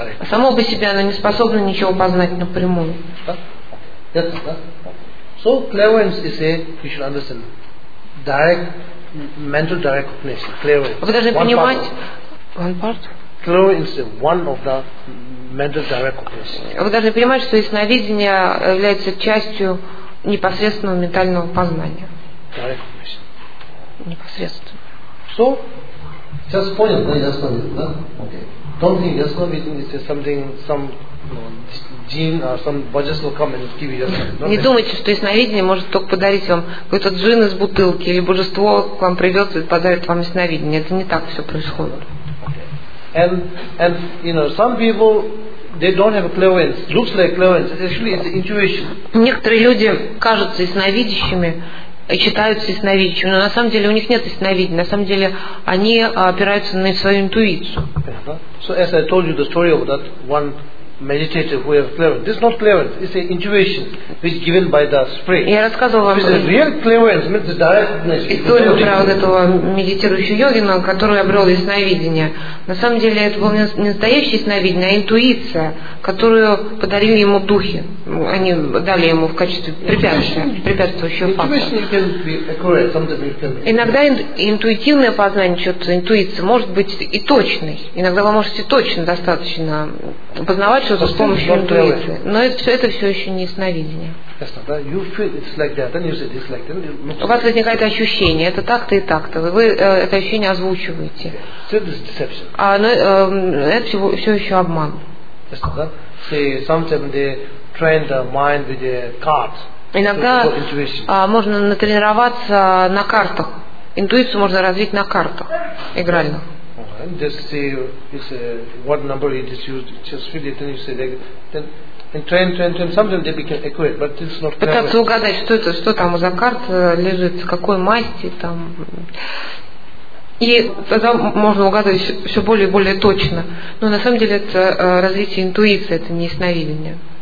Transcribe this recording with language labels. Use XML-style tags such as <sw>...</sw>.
<ru>Само по себе оно не способно ничего познать напрямую.</ru> <en>So clairvoyance is a, you should understand, direct mental direct recognition. Clairvoyance.</en> <ru>Вы должны понимать,</ru> <en>one part. Clairvoyance is one of the mental direct recognition.</en> <ru>Вы должны понимать, что ясновидение является частью непосредственного ментального познания.</ru> <en>Direct recognition.</en> <ru>Непосредственно.</ru> <en>So, just</en> <ru>понял, да, ясновидение, да?</ru> <en>Okay. Don't think ясновидение is something</en> <ru>Не думайте, что ясновидение может только подарить вам какой-то джин из бутылки, или божество к вам придет и подарит вам ясновидение. Это не так все происходит.</ru> <en>And you know, some people they don't have clairvoyance. Looks like clairvoyance. Actually, it's intuition.</en> <ru>Некоторые люди кажутся ясновидящими и считаются ясновидящими, но на самом деле у них нет ясновидения. На самом деле они опираются на свою интуицию.</ru> <en>So as I told you the story of that one. Meditative way of clairvoyance. This is not clairvoyance. It's an intuition which is given by the spirit.</en> <ru>Я рассказывал вам.</ru> <en>It's a real clairvoyance. Means the direct recognition.</en> <ru>Историю про вот этого медитирующего йогина, который обрел ясновидение. На самом деле это было не настоящее ясновидение, а интуиция, которую подарили ему духи. Они дали ему в качестве препятствующего фактора. Иногда интуитивное познание, что-то интуиция, может быть и точной. Иногда вы можете точно достаточно познавать что-то с помощью интуиции. Но это все еще не ясновидение.</ru> <en>You feel it's like that, then you say it's like that.</en> <ru>У вас возникает ощущение, это так-то и так-то. Вы это ощущение озвучиваете.</ru> <en>So this is deception.</en> <ru>Это все еще обман.</ru> <en>Sometimes they train the mind with a card.</en> <ru>Иногда можно натренироваться на картах. Интуицию можно развить на картах игральных.</ru> <en>Just see it's what number it is used. Just feel it, and you say like, then. And train. Sometimes they become accurate, but it's not.</en> <ru>Пытаться угадать, что это, что там за карта лежит, с какой масти там. И тогда можно угадывать все более и более точно. Но на самом деле это развитие интуиции, это не ясновидение.</ru>